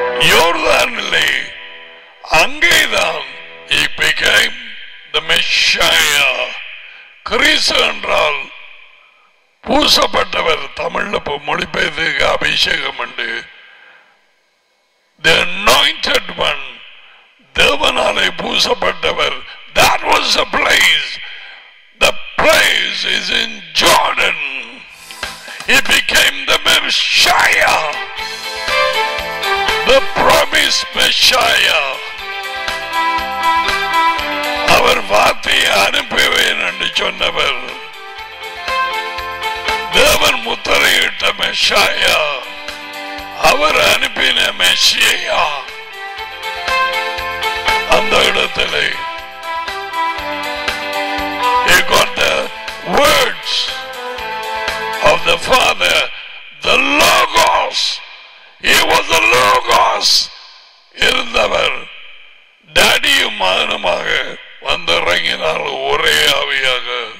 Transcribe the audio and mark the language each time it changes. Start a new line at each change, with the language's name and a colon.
Tamil: யோர்தானிலே, அங்கேதான்
English: he became the Messiah.
Tamil: கிறிஸ்து என்றால் பூசப்பட்டவர். தமிழ்ல மொழிபெயர்த்துக்கு அபிஷேகம் உண்டு.
English: The anointed one,
Tamil: தேவனாலே பூசப்பட்டவர்.
English: That was the place. The place is in Jordan. He became the Messiah, the promised Messiah.
Tamil: அவர் வார்த்தையை அனுப்புவேன் என்று சொன்னவர். தேவன் முத்திரையிட்ட மெஷாயா, அவர் அனுப்பின மெஷியா. அந்த இடத்திலே
English: He got the words of the Father, the Logos. He was the Logos.
Tamil: இருந்தவர் டாடியும் மகனுமாக வந்திறங்கினால் ஒரே ஆவியாக.